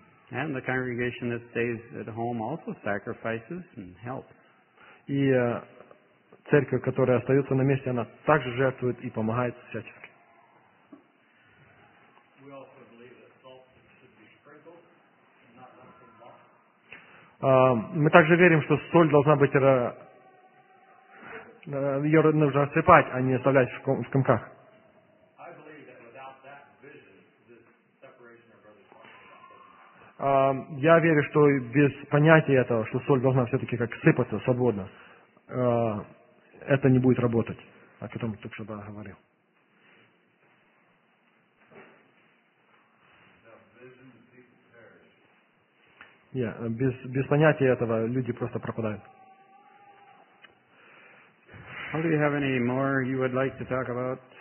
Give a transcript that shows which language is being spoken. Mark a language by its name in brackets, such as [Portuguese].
[English] And the congregation that stays at home also sacrifices and helps. [Russian] И церковь, которая остается на месте, она также жертвует и помогает всячески. Мы также верим, что соль должна быть, ее нужно рассыпать, а не оставлять в комках. Я верю, что без понятия этого, что соль должна все-таки как сыпаться свободно, это не будет работать, о котором только что говорил. без понятия этого люди просто пропадают. [English] Well, do you have any more you would like to talk about?